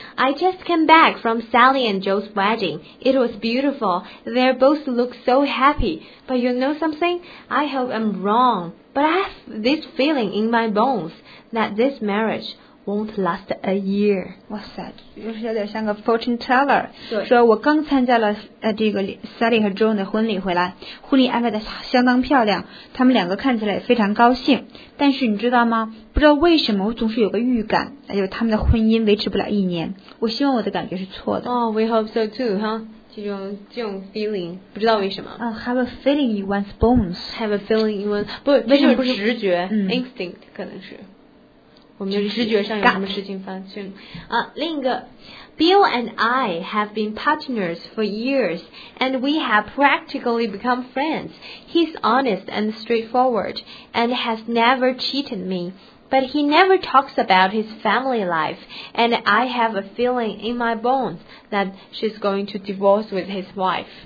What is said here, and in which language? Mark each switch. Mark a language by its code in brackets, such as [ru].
[en] I just came back from Sally and Joe's wedding. It was beautiful. They both look so happy. But you know something? I hope I'm wrong. But I have this feeling in my bones that this marriage won't last a year. [zh] 哇塞，就是有点像个 fortune teller。说我刚参加了这个 Sally 和 Joe 的婚礼回来，婚礼安排的相当漂亮，他们两个看起来也非常高兴。但是你知道吗？不知道为什么我总是有个预感，就是他们的婚姻维持不了一年。我希望我的感觉是错的。 [en] Oh, we hope so too, huh? 这种 feeling 不知道为什么。 Have a feeling in one's bones. Have a feeling in one's bones. [zh] 为什么不是直觉？Instinct 可能是。我们的直觉上有什么事情发生。另一个。 [en] Bill and I have been partners for years, and we have practically become friends. He's honest and straightforward, and has never cheated me. But he never talks about his family life, and I have a feeling in my bones that she's going to divorce with his wife.